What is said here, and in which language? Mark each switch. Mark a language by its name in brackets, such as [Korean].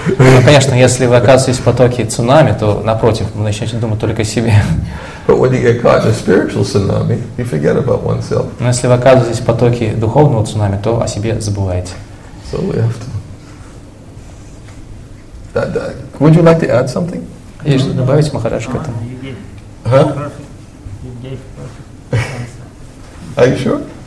[Russian] Ну, конечно, если вы оказываетесь в потоке цунами, то напротив, вы начнете думать только о себе. [English] But when you get caught in a spiritual tsunami, you forget about oneself. [Russian] Но если вы оказываетесь в потоке духовного цунами, то о себе забываете. [English] So we have to. Would you like to add something? [Russian] Есть что добавить, Махарадж, к этому? [English] Huh? Are you sure?